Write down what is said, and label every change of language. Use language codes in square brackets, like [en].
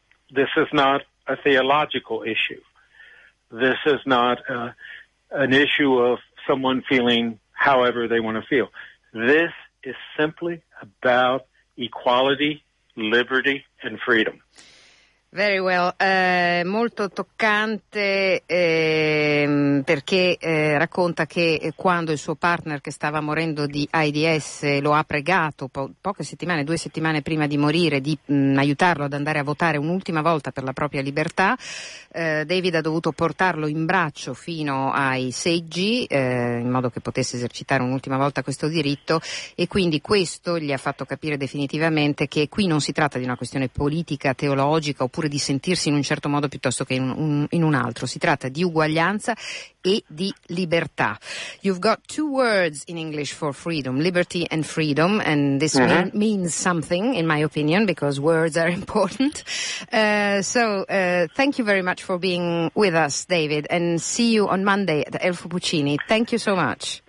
[en] This is not a theological issue. This is not an issue of someone feeling however they want to feel. This is simply about equality, liberty, and freedom. Very well. [it] Molto toccante perché racconta che quando il suo partner che stava morendo di AIDS lo ha pregato due settimane prima di morire di aiutarlo ad andare a votare un'ultima volta per la propria libertà, David ha dovuto portarlo in braccio fino ai seggi in modo che potesse esercitare un'ultima volta questo diritto, e quindi questo gli ha fatto capire definitivamente che qui non si tratta di una questione politica, teologica oppure di sentirsi in un certo modo piuttosto che in un altro. Si tratta di uguaglianza e di libertà. [en] You've got two words in English for freedom, liberty and freedom, and this means something in my opinion, because words are important. So thank you very much for being with us, David, and see you on Monday at Elfo Puccini. Thank you so much.